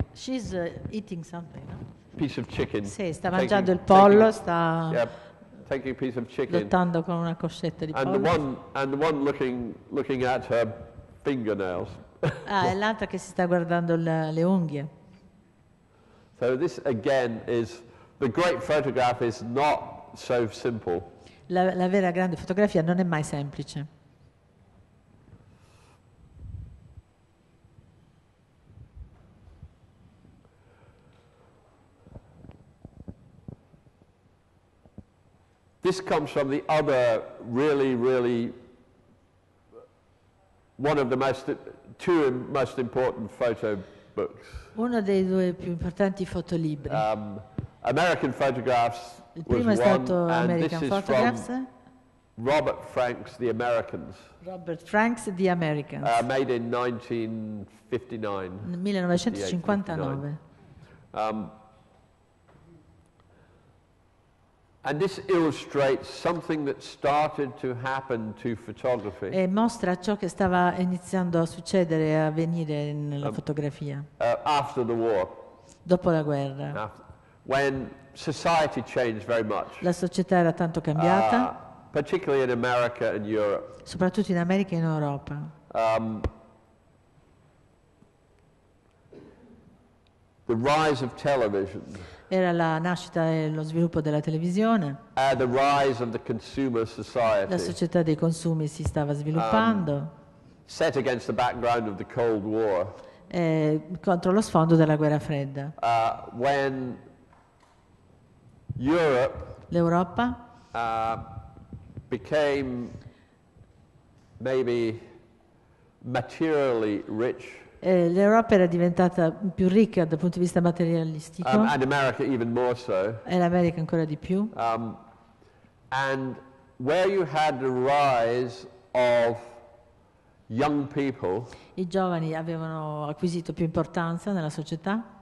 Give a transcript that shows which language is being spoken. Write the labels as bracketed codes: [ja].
[en] She's eating something. No? Piece of chicken. [it] Sì, sta mangiando il pollo. [en] Taking a piece of chicken. [it] Lottando con una coscetta di [en] pollo. And the one looking at her fingernails. [it] Ah, è l'altra che si sta guardando le unghie. [en] So this again is the great photograph is not so simple. [it] La vera grande fotografia non è mai semplice. [en] This comes from the other really, really one of the most two most important photo books. [it] Uno dei due più importanti fotolibri. [en] American Photographs. [it] Il primo è stato American Photographs. [en] Robert Franks, The Americans. Robert Franks, The Americans. Made in 1959. 1959. And this illustrates something that started to happen to photography. [it] E mostra ciò che stava iniziando a succedere e avvenire nella fotografia. [en] After the war. [it] Dopo la guerra. [en] When society changed very much. [it] La società era tanto cambiata. [en] Particularly in America and Europe. [it] Soprattutto in America e in Europa. [en] The rise of television. [it] Era la nascita e lo sviluppo della televisione. [en] The rise of the consumer society. [it] La società dei consumi si stava sviluppando. [en] Set against the background of the Cold War. [it] Contro lo sfondo della guerra fredda. [en] When Europe. [it] L'Europa. [en] Became maybe materially rich. [it] L'Europa era diventata più ricca dal punto di vista materialistico. [en] And America even more so. [it] E l'America ancora di più. [en] And where you had the rise of young people. [it] I giovani avevano acquisito più importanza nella società.